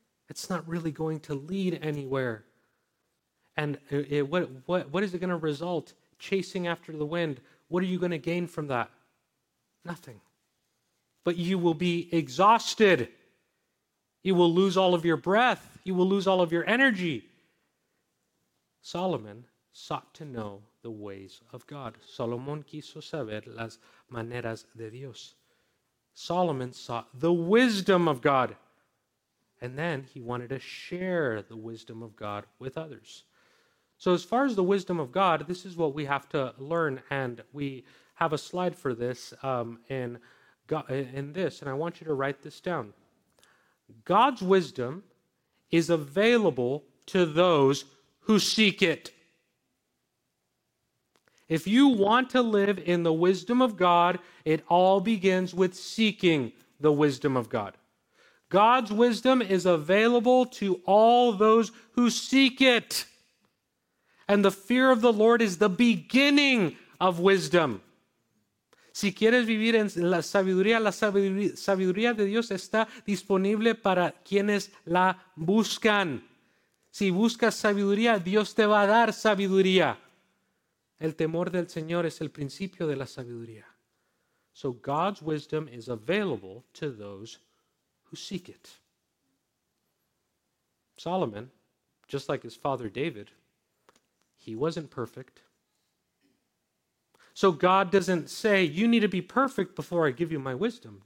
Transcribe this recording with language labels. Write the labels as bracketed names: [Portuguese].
[English] It's not really going to lead anywhere. And what is it going to result, chasing after the wind? What are you going to gain from that? Nothing. But you will be exhausted. You will lose all of your breath. You will lose all of your energy. Solomon sought to know the ways of God. [Spanish] Solomon quiso saber las maneras de Dios. [English] Solomon sought the wisdom of God. And then he wanted to share the wisdom of God with others. So as far as the wisdom of God, this is what we have to learn. And we have a slide for this in this. And I want you to write this down. God's wisdom is available to those who seek it. If you want to live in the wisdom of God, it all begins with seeking the wisdom of God. God's wisdom is available to all those who seek it. And the fear of the Lord is the beginning of wisdom. [Spanish] Si quieres vivir en la sabiduría de Dios está disponible para quienes la buscan. Si buscas sabiduría, Dios te va a dar sabiduría. El temor del Señor es el principio de la sabiduría. [English] So God's wisdom is available to those who seek it. Solomon just like his father David, he wasn't perfect. So God doesn't say, you need to be perfect before I give you my wisdom.